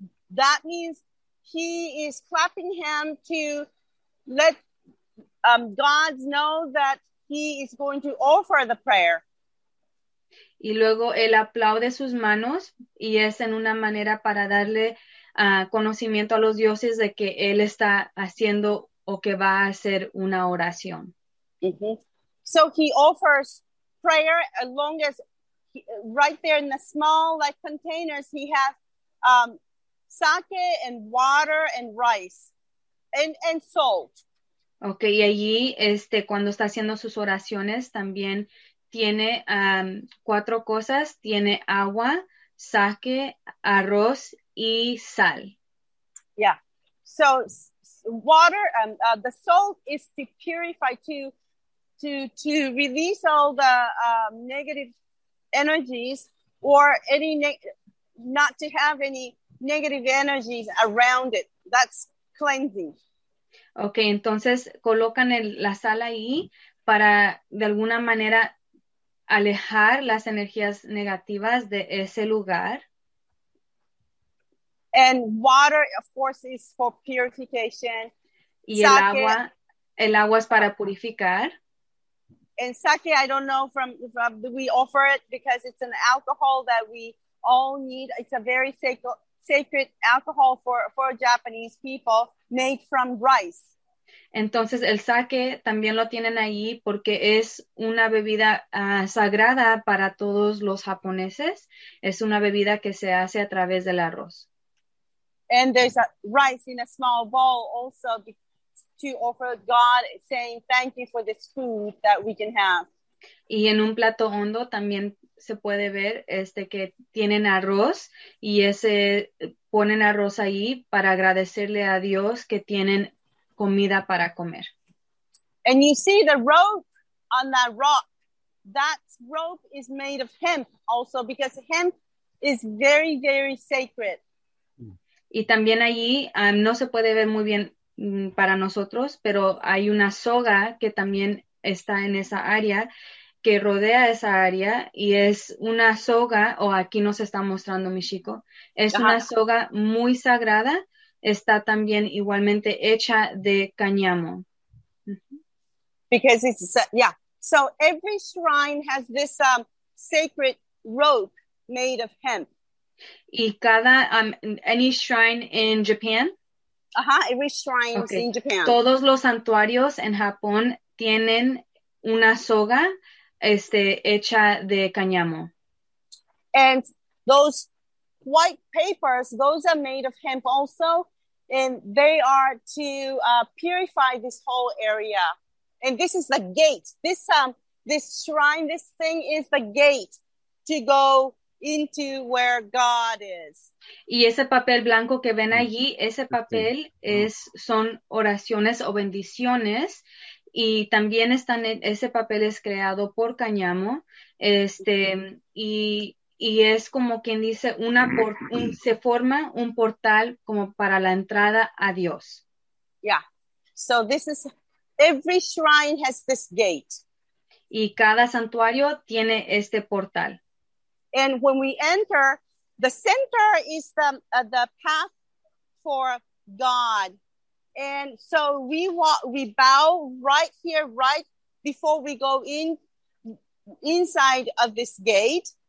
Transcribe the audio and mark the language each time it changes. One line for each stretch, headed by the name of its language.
English: That means he is clapping him to let God know that he is going to offer the prayer.
Spanish: Y luego él aplaude sus manos y es en una manera para darle conocimiento a los dioses de que él está haciendo o que va a hacer una oración. Mm-hmm.
English: So he offers prayer as long as he, right there in the small like containers he has sake and water and rice and salt.
Spanish: Okay, y allí cuando está haciendo sus oraciones también tiene cuatro cosas, tiene agua, sake, arroz y sal.
English: Yeah. So water the salt is to purify to release all the negative energies or any not to have any negative energies around it. That's cleansing.
Spanish: Okay, entonces colocan la sal ahí para de alguna manera alejar las energías negativas de ese lugar.
English: And water, of course, is for purification.
Spanish: Y el agua, el agua es para purificar.
English: And sake, I don't know, from we offer it because it's an alcohol that we all need. It's a very sacred alcohol for Japanese people, made from rice.
Spanish: Entonces, el sake también lo tienen ahí porque es una bebida sagrada para todos los japoneses. Es una bebida que se hace a través del arroz.
English: And there's a rice in a small bowl also to offer God, saying thank you for this food that we can have.
Spanish: Y en un plato hondo también se puede ver que tienen arroz y ese ponen arroz ahí para agradecerle a Dios que tienen comida para comer.
English: And you see the rope on that rock. That rope is made of hemp also, because hemp is very, very sacred.
Spanish: Y también allí no se puede ver muy bien para nosotros, pero hay una soga que también está en esa área, que rodea esa área, y es una soga, aquí nos está mostrando Michiko, es una soga muy sagrada, está también igualmente hecha de cañamo.
English: Because it's, so every shrine has this sacred rope made of hemp.
Spanish: Y cada,
English: any shrine in Japan? Every shrine in Japan.
Spanish: Todos los santuarios en Japón tienen una soga hecha de cañamo.
English: And those white papers, those are made of hemp also, and they are to purify this whole area. And this is the gate. This this shrine, this thing is the gate to go into where God is.
Spanish: Y ese papel blanco que ven allí, ese papel son oraciones o bendiciones, y también están ese papel es creado por cañamo, y es como quien dice se forma un portal como para la entrada a Dios.
English: Yeah. So this is, every shrine has this gate.
Spanish: Y cada santuario tiene este portal.
English: And when we enter, the center is the path for God. And so we bow right here, right before we go inside of this gate.